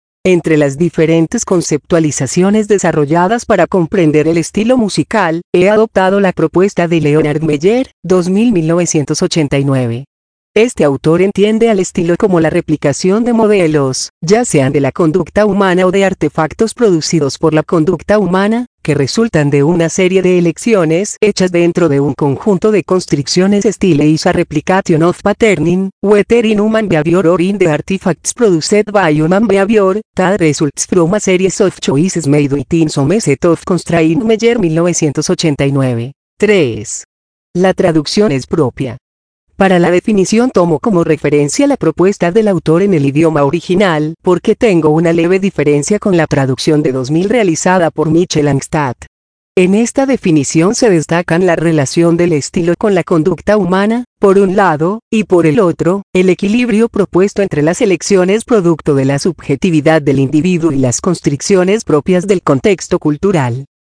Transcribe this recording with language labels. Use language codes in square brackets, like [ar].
[es] Entre las diferentes conceptualizaciones desarrolladas para comprender el estilo musical, he adoptado la propuesta de Leonard Meyer, 2000-1989. Este autor entiende al estilo como la replicación de modelos, ya sean de la conducta humana o de artefactos producidos por la conducta humana, que resultan de una serie de elecciones hechas dentro de un conjunto de constricciones. [en] Style is a replication of patterning, whether in human behavior or in the artifacts produced by human behavior, that results from a series of choices made within some set of constraints. Meyer, 1989. 3. [es] La traducción es propia. Para la definición tomo como referencia la propuesta del autor en el idioma original, porque tengo una leve diferencia con la traducción de 2000 realizada por Michel Angstad. En esta definición se destacan la relación del estilo con la conducta humana, por un lado, y por el otro, el equilibrio propuesto entre las elecciones producto de la subjetividad del individuo y las constricciones propias del contexto cultural.